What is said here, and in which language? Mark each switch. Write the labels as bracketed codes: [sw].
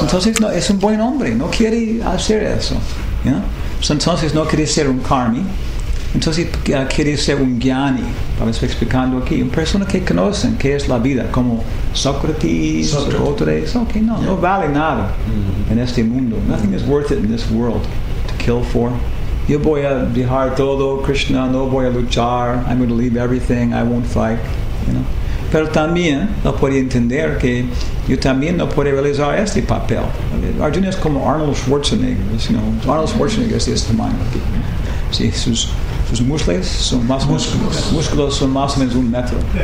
[es] Entonces no, es un buen hombre, no quiere hacer eso. Yeah. Entonces no quiere ser un karmi, entonces quiere ser un gyani. Para estar explicando aquí, una persona que conocen qué es la vida, como Sócrates, otros, okay, no, yeah, no vale nada en este mundo. [en] Nothing is worth it in this world to kill for. [es] Yo voy a dejar todo, Krishna, no voy a luchar, [en] I'm going to leave everything, I won't fight, you know. [es] Pero también no puede entender que yo también no puedo realizar este papel. Arjuna es como Arnold Schwarzenegger, you know. Arnold Schwarzenegger es este tamaño. Sí, sus músculos son más músculos son más o menos un metro.